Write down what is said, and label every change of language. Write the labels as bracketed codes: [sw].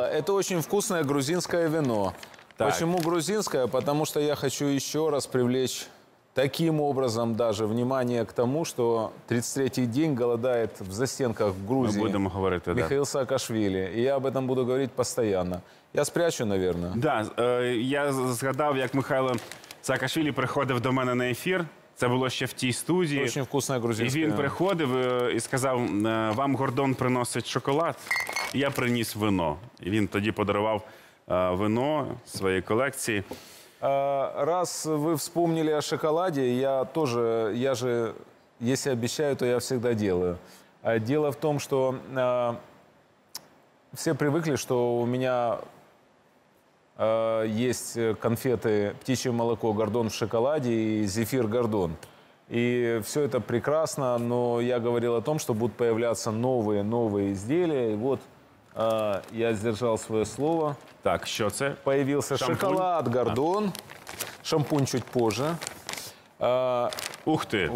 [ru] Это очень вкусное грузинское вино. Так. Почему грузинское? Потому что я хочу еще раз привлечь таким образом даже внимание к тому, что 33-й день голодает в застенках Грузии. Мы будем говорить, да. Михаил Саакашвили. И я об этом буду говорить постоянно. Я спрячу, наверное. [uk] Да, я згадав, як Михайло Саакашвили приходив до мене на ефір. Це було ще в тій студії. Дуже вкусна грузинська. І він приходив і сказав, вам Гордон приносить шоколад, я приніс вино. І він тоді подарував вино своїй колекції. Раз ви вспомнили о шоколаді, я теж, я же, якщо обіцяю, то я завжди делаю. Діло в тому, що всі привикли, що у мене [ru] есть конфеты «Птичье молоко Гордон в шоколаде» и «Зефир Гордон». И все это прекрасно, но я говорил о том, что будут появляться новые изделия. И вот я сдержал свое слово. Так, что это? Появился шампунь? Шоколад Гордон, шампунь чуть позже. Ух ты!